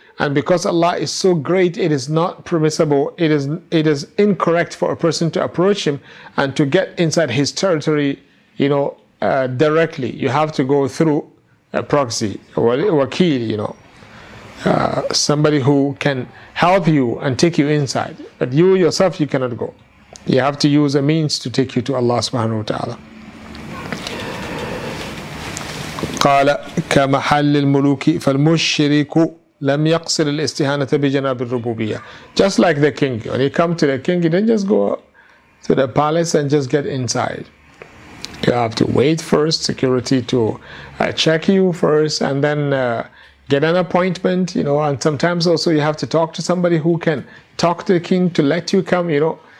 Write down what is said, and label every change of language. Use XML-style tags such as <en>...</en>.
<en>And because Allah is so great, it is not permissible, it is incorrect for a person to approach Him and to get inside His territory, you know, directly. You have to go through a proxy, wakil, you know, somebody who can help you and take you inside. But you yourself, you cannot go. You have to use a means to take you to Allah subhanahu wa ta'ala.</en> <ar>قال كمحل الملوك فالمشرك لم يقصر الاستهانة بجناب الربوبية.</ar> <en>Just like the king, when you come to the king, you don't just go to the palace and just get inside. You have to wait first, security to check you first, and then get an appointment, you know, and sometimes also you have to talk to somebody who can talk to the king to let you come, you know.</en>